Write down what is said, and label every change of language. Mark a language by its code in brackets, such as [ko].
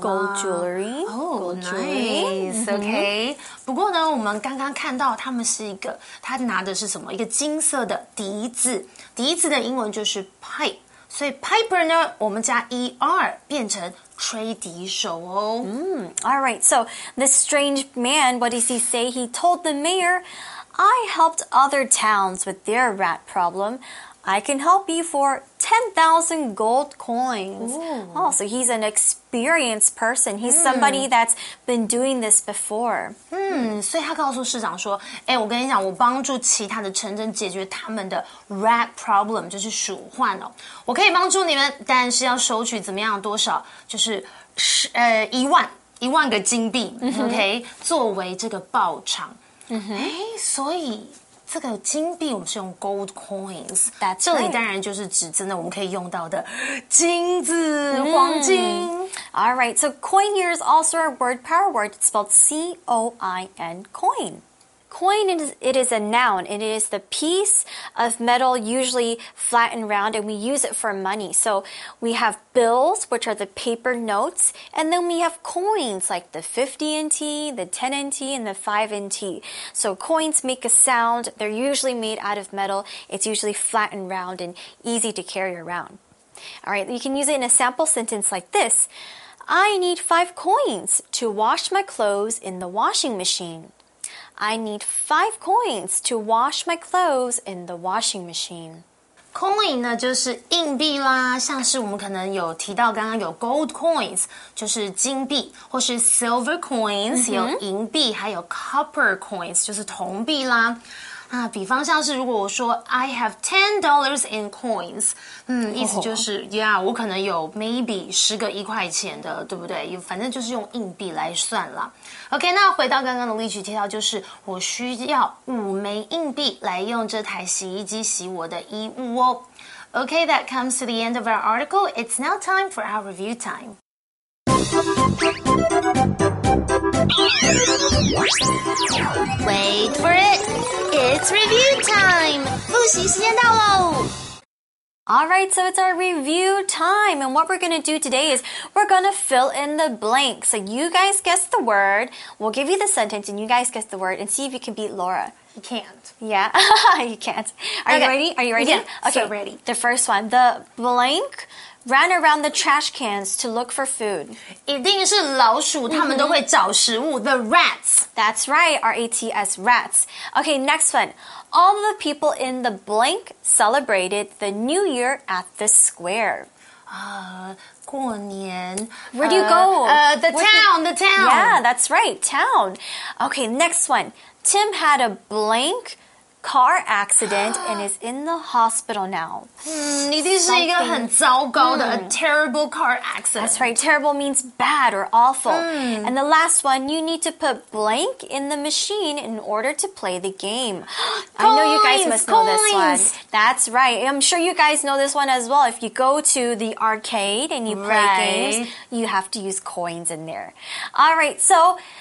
[en] gold jewelry Nice, okay. [zh] 不过呢，我们刚刚看到他们是一个，他拿的是什么？一个金色的笛子。笛子的英文就是 pipe， 所以 piper 呢，我们加 er 变成吹笛手哦。 [en] All right. So this strange man, what does he say? He told the mayor, "I helped other towns with their rat problem." I can help you for 10,000 gold coins. Ooh. Oh, so he's an experienced person. He's somebody that's been doing this before. [zh] 所以他告诉市长说，诶，我跟你讲，我帮助其他的城镇解决他们的 [en] rat problem, [zh] 就是鼠患哦。我可以帮助你们，但是要收取怎么样多少，就是一万个金币、OK, 作为这个报偿。所以这个金币我们是用 gold coins、 [en] right. [zh] 这里当然就是指真的我们可以用到的金子、黄金 [en] Alright, so coin here is also a word power word It's spelled C-O-I-N coin Coin, it is a noun, and it is the piece of metal, usually flat and round, and we use it for money. So we have bills, which are the paper notes, and then we have coins, like the 50 NT, the 10 NT, and the 5 NT. So coins make a sound. They're usually made out of metal. It's usually flat and round and easy to carry around. All right, you can use it in a sample sentence like this. I need 5 coins to wash my clothes in the washing machine. I need 5 coins to wash my clothes in the washing machine. [zh] Coin 呢就是硬币啦，像是我们可能有提到刚刚有 gold coins， 就是金币，或是 silver coins，有银币，还有 copper coins， 就是铜币啦。那比方像是如果我说 [en] I have $10 in coins， [zh] 意思就是 yeah， 我可能有 maybe 十个一块钱的，对不对？反正就是用硬币来算啦。OK， 那回到刚刚的例句提到，就是我需要5枚硬币来用这台洗衣机洗我的衣物哦。 [en] OK， that comes to the end of our article. It's now time for our review time. Wait for it. It's review time. [zh] 复习时间到喽。 [en] All right, so it's our review time, and what we're going to do today is we're going to fill in the blanks. So you guys guess the word, we'll give you the sentence, and you guys guess the word, and see if you can beat Laura. You can't. Yeah, you can't. Are you ready? Are you ready? Yeah, okay, so ready. The first one, the blank ran around the trash cans to look for food. [zh] 一定是老鼠，他们都会找食物。 [en] The rats. That's right, R-A-T-S, rats. Okay, next one. All the people in the blank celebrated the New Year at the square. [zh] 过年。 [en] Where do you go? The town. Yeah, that's right, town. Okay, next one. Tim had a blank car accident and is in the hospital now. [zh] 一定是一个很糟糕的, [en] a terrible car accident. That's right, terrible means bad or awful. And the last one, you need to put blank in the machine in order to play the game. Coins, I know you guys must know this one. That's right. I'm sure you guys know this one as well. If you go to the arcade and you play games, you have to use coins in there. All right, so...